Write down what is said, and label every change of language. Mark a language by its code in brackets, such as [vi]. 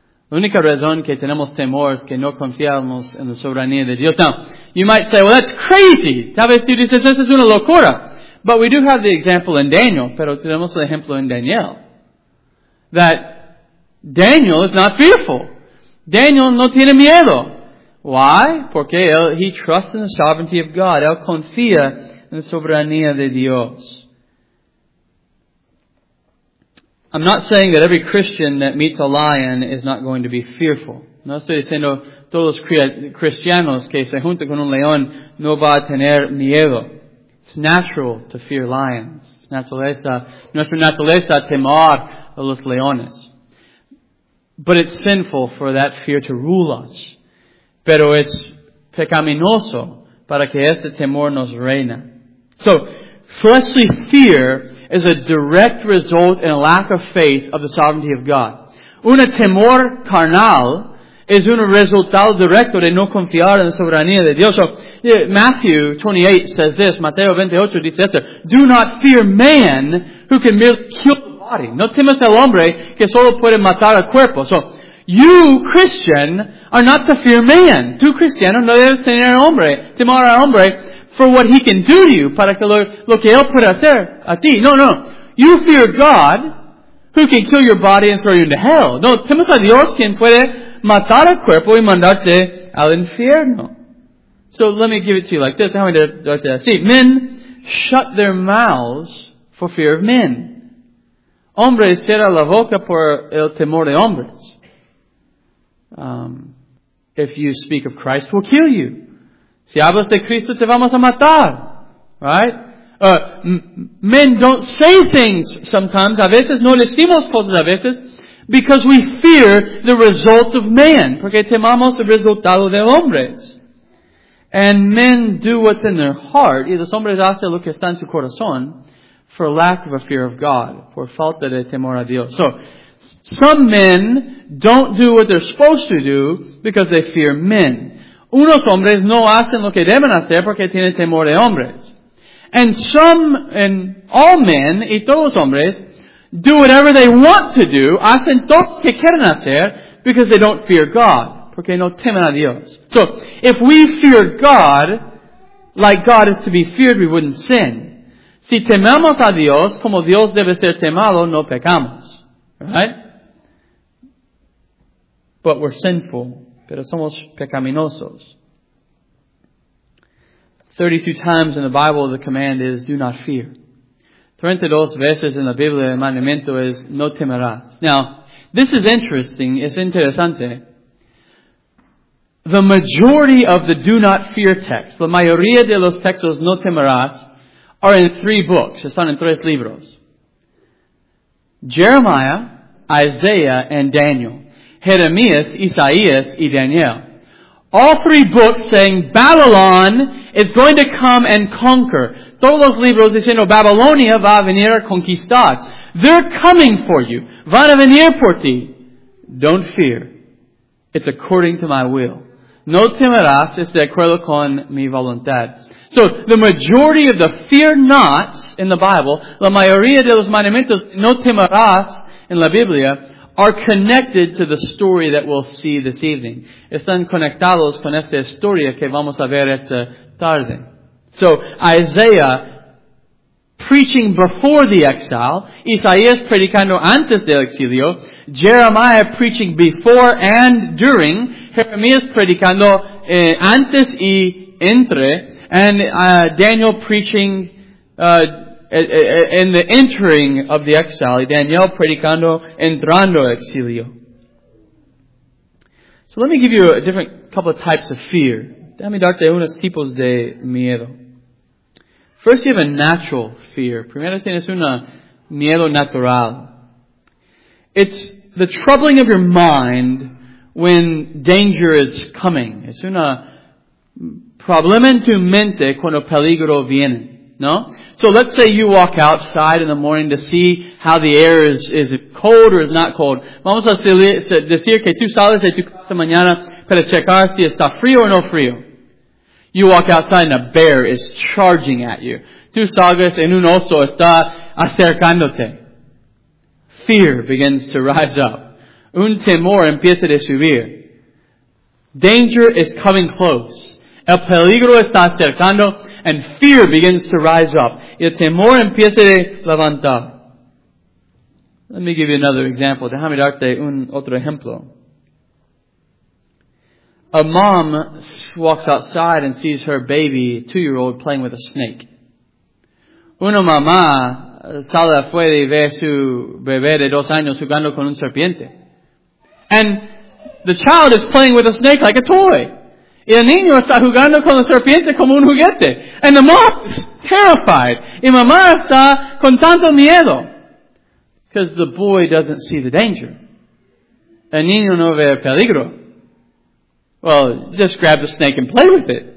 [es] La única razón que tenemos temor es que no confiamos en la soberanía de Dios. [en] Now, you might say, well, that's crazy. [es] Tal vez tú dices, eso es una locura. [en] But we do have the example in Daniel, [es] pero tenemos el ejemplo en Daniel. [en] That Daniel is not fearful. [es] Daniel no tiene miedo. [en] Why? [es] Porque [en] he trusts in the sovereignty of God. [es] Él confía en la soberanía de Dios. [en] I'm not saying that every Christian that meets a lion is not going to be fearful. [es] No estoy diciendo todos los cristianos que se juntan con un león no va a tener miedo. [en] It's natural to fear lions. It's [es] naturaleza, nuestra naturaleza temor a los leones. [en] But it's sinful for that fear to rule us. [es] Pero es pecaminoso para que este temor nos reina. [en] So, fleshly fear is a direct result in a lack of faith of the sovereignty of God. [es] Un temor carnal es un resultado directo de no confiar en la soberanía de Dios. [en] So, Matthew 28 says this, [es] Mateo 28 dice esto, [en] do not fear man who can merely kill the body. [es] No temas al hombre que solo puede matar el cuerpo. [en] So, you, Christian, are not to fear man. [es] Tú, cristiano, no debes tener hombre, temor al hombre, [en] for what he can do to you, [es] para que lo que él puede hacer a ti. No, no. [en] You fear God, who can kill your body and throw you into hell. [es] No, temas a Dios, quien puede matar el cuerpo y mandarte al infierno. [en] So let me give it to you like this. How many do I see? Men shut their mouths for fear of men. [es] Hombres cierra la boca por el temor de hombres. [en] If you speak of Christ, we'll kill you. [es] Si hablas de Cristo, te vamos a matar. [en] Right? Men don't say things sometimes. [es] A veces no decimos cosas a veces. [en] Because we fear the result of man. [es] Porque temamos el resultado de hombres. [en] And men do what's in their heart. [es] Y los hombres hacen lo que está en su corazón. [en] For lack of a fear of God. [es] Por falta de temor a Dios. [en] So, some men don't do what they're supposed to do because they fear men. [es] Unos hombres no hacen lo que deben hacer porque tienen temor de hombres. [en] And all men [es] y todos los hombres [en] do whatever they want to do, [es] hacen todo lo que quieren hacer, [en] Because they don't fear God. [es] Porque no temen a Dios. [en] So, if we fear God, like God is to be feared, we wouldn't sin. [es] Si tememos a Dios, como Dios debe ser temado, no pecamos. [en] Right? But we're sinful. [es] Pero somos pecaminosos. [en] 32 times in the Bible, the command is, do not fear. [es] 32 veces en la Biblia, el mandamiento es, no temerás. [en] Now, this is interesting. [es] Es interesante. [en] The majority of the do not fear texts, [es] la mayoría de los textos no temerás, [en] are in three books. [es] Están en tres libros. Jeremiah, Isaiah, and Daniel. Jeremías, Isaías, y Daniel. [en] All three books saying Babylon is going to come and conquer. [es] Todos los libros diciendo Babilonia va a venir a conquistar. [en] They're coming for you. [es] Van a venir por ti. [en] Don't fear. It's according to my will. [es] No temerás, es de acuerdo con mi voluntad. [en] So, the majority of the fear nots in the Bible, [es] la mayoría de los mandamientos no temerás en la Biblia, [en] are connected to the story that we'll see this evening. [es] Están conectados con esta historia que vamos a ver esta tarde. [en] So, Isaiah preaching before the exile, [es] Isaías predicando antes del exilio, [en] Jeremiah preaching before and during, [es] Jeremías predicando antes y entre, [en] and Daniel preaching in the entering of the exile, [es] Daniel predicando entrando exilio. [en] So let me give you a different couple of types of fear. [es] Dame darte unos tipos de miedo. [en] First, you have a natural fear. [es] Primero tienes un miedo natural. [en] It's the troubling of your mind when danger is coming. [es] Es un problema en tu mente cuando peligro viene. No? [en] So let's say you walk outside in the morning to see how the air is it cold or is not cold. [es] Vamos a decir que tú sales de tu casa mañana para checar si está frío o no frío. [en] You walk outside and a bear is charging at you. [es] Tú sales y un oso está acercándote. [en] Fear begins to rise up. [es] Un temor empieza a subir. [en] Danger is coming close. [es] El peligro está acercando, [en] and fear begins to rise up. [es] El temor empieza a levantar. [en] Let me give you another example. [es] Déjame darte un otro ejemplo. [en] A mom walks outside and sees her baby, 2-year-old, playing with a snake. [es] Una mamá sale afuera y ve su bebé de 2 años jugando con un serpiente. [en] And the child is playing with a snake like a toy. [es] Y el niño está jugando con la serpiente como un juguete. [en] And the mom is terrified. [es] Y mamá está con tanto miedo. [en] Because the boy doesn't see the danger. [es] El niño no ve el peligro. [en] Well, just grab the snake and play with it.